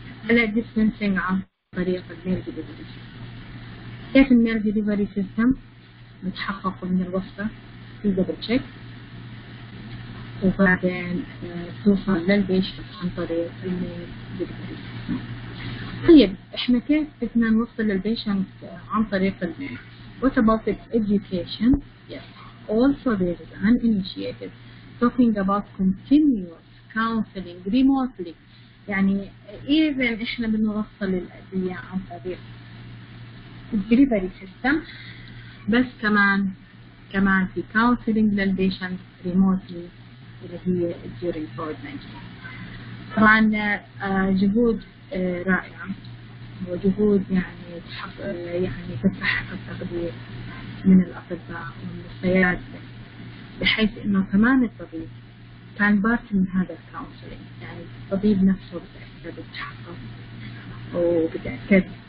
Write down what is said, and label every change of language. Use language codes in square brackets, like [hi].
[ar] هلا ديسنسينج عن طريق الميل ديليفري سيستم، كيف الميل ديليفري سيستم متحقق من الوصفة في دبل تشيك وبعدين توصل للبيشنت عن طريق الميل ديليفري سيستم. طيب احنا كيف بدنا نوصل للبيشنت عن طريق الميل؟ [en] What about education؟ Yes. Also there is an initiative talking about continuous counseling remotely. [ar] يعني even احنا بنوصل الأدوية عن طريق الديليفري سيستم، بس كمان في counseling للبيشنت [en] remotely [ar] اللي هي [en] during COVID-19. [ar] طبعا جهود رائعة وجهود يعني تحق يعني تستحق التقدير من الأطباء والصيادلة، بحيث إنه كمان الطبيب كان بارت من هذا الكونسلينج، يعني الطبيب نفسه بتأكد التحقق وبتأكد